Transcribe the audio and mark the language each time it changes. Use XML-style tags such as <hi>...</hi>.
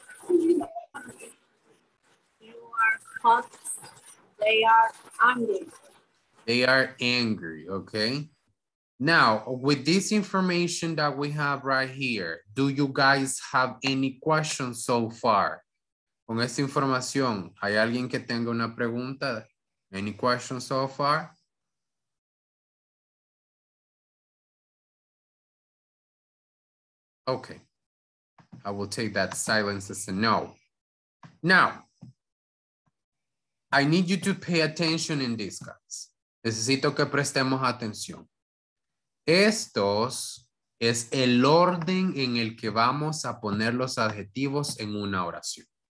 <en>You are hot. They are angry. They are angry, okay. Now, with this information that we have right here, do you guys have any questions so far?</en> <es>Con esta información, ¿hay alguien que tenga una pregunta?</es> <en>Any questions so far? Okay, I will take that silence as a no. Now, I need you to pay attention in this, guys.</en> <es>Necesito que prestemos atención. Estos es el orden en el que vamos a poner los adjetivos en una oración.</es>